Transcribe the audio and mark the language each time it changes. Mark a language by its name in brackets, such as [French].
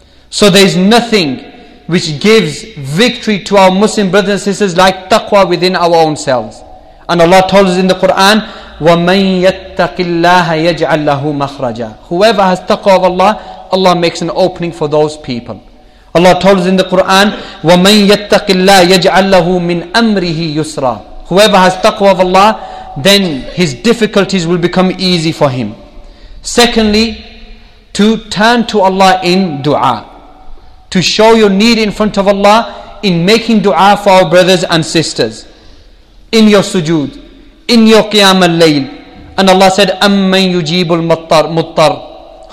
[English] So there is nothing which gives victory to our Muslim brothers and sisters like taqwa within our own selves. And Allah told us in the Quran, [Arabic] وَمَن يَتَّقِ اللَّهَ يَجْعَلْ لَهُ مَخْرَجًا. [English] Whoever has taqwa of Allah, Allah makes an opening for those people. Allah told us in the Quran, [Arabic] وَمَن يَتَّقِ اللَّهَ يَجْعَلْ لَهُ مِنْ أَمْرِهِ يُسْرًا. [English] Whoever has taqwa of Allah, then his difficulties will become easy for him. Secondly, to turn to Allah in dua. To show your need in front of Allah in making dua for our brothers and sisters. In your sujood, in your qiyam al-layl. And Allah said, [Arabic] أَمَّنْ يُجِيبُ الْمُطَّرْ.